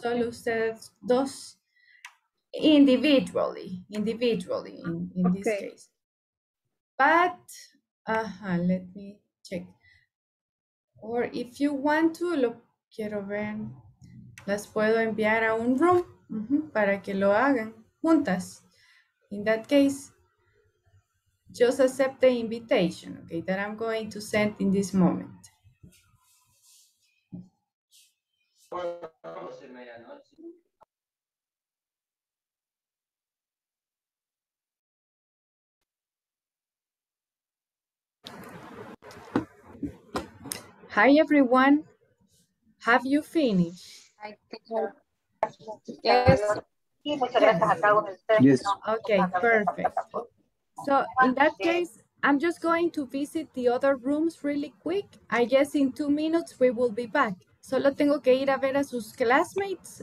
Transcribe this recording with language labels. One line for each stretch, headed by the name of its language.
Spanish: Solo ustedes dos.
English: Individually, in okay. this case. But, let me check. Or if you want to,
Spanish: lo quiero ver. Las puedo enviar a un room para que lo hagan juntas.
English: In that case, just accept the invitation, okay, that I'm going to send in this moment. Hi everyone, have you finished? Yes. Okay, perfect. So in that case, I'm just going to visit the other rooms really quick. I guess in 2 minutes we will be back.
Spanish: Solo tengo que ir a ver a sus classmates.